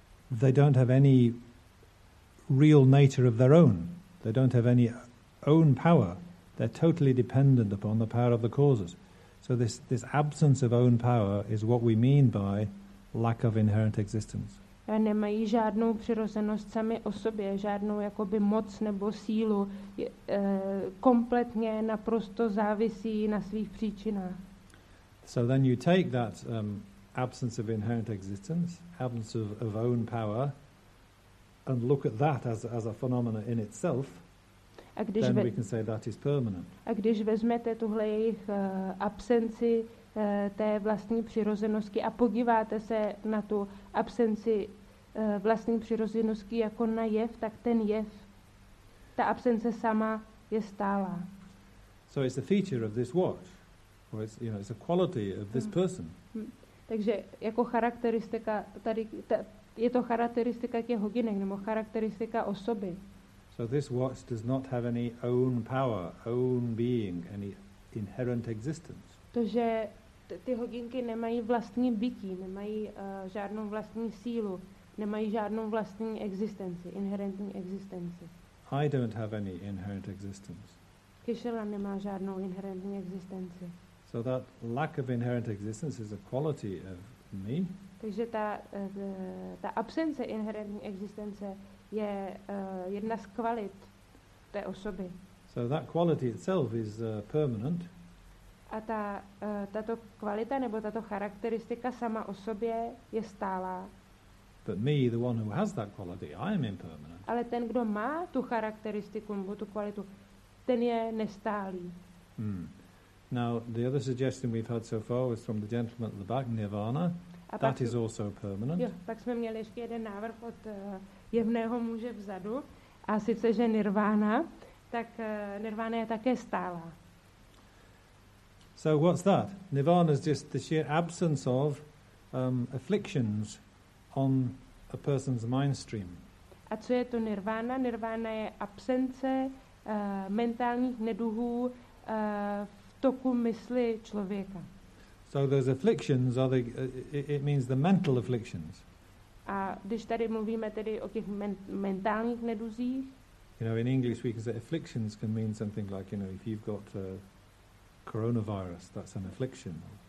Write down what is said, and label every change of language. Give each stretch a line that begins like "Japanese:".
English: They don't have any real nature of their own. They don't have any own power. They're totally dependent upon the power of the causes. So this absence of own power is what we mean by lack of inherent existence.
Czech: Nemají žádnou přirozenost sami o sobě, žádnou jakoby moc nebo sílu, kompletně naprosto závisí na svých příčinách.
English: So then you take that absence of inherent existence, absence of own power, and look at that as a phenomenon in itself. We can say that is permanent.
Czech: A když vezmete tuhle jejich absenci té vlastní přirozenosti a podíváte se na tu absenci vlastní přirozenosti jako na jev, tak ten jev, ta absence sama je stálá.
English: So it's a feature of this watch, or it's, you know, it's a quality of this person.
Czech: Takže jako charakteristika tady, je to charakteristika těch hodinek nebo charakteristika osoby.
English: So this watch does not have any own power, own being, any inherent existence.
Czech: To, že ty hodinky nemají vlastní bytí, nemají žádnou vlastní sílu, nemají žádnou vlastní existenci, inherentní existenci.
English: I don't have any inherent existence.
Czech: Kishela nemá žádnou inherentní existenci.
English: So that lack of inherent existence is a quality of me.
Czech: Takže ta absence inherentní existence je jedna z kvalit té osoby.
English: So that quality itself is permanent.
Czech: A tato kvalita nebo tato charakteristika sama o sobě je stálá.
English: But me, the one who has that quality, I am impermanent.
Czech: Ale ten, kdo má tu charakteristiku nebo tu kvalitu, ten je nestálý.
English: Now, the other suggestion we've had so far was from the gentleman at the back, Nirvana. That is also permanent.
Czech: Jo, pak jsme měli ještě jeden návrh od jemného muže vzadu, a sice, že Nirvana, tak Nirvana je také stálá.
English: So what's that? Nirvana is just the sheer absence of afflictions on a person's mind stream.
Czech: A co je to Nirvana? Nirvana je absence mentálních neduhů v toku mysli člověka.
English: So those afflictions are the it means the mental afflictions.
Czech: A když tady mluvíme tedy o těch mentálních neduzích.
English: You know, in English we can say afflictions can mean something like, you know, if you've got coronavirus, that's an affliction.